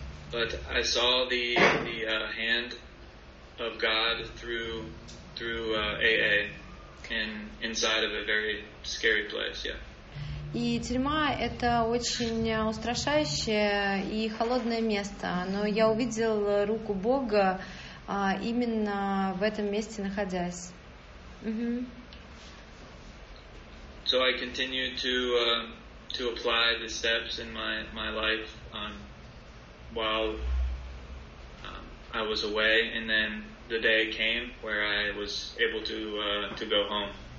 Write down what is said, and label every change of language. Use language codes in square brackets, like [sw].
[en] But I saw the hand of God through AA and inside of a very scary place, yeah. [ru] И тюрьма — это очень устрашающее и холодное место, но я увидел руку Бога именно в этом месте находясь. [en] So I continued to apply the steps in my life on while I was away, and then the day came where I was able to go home.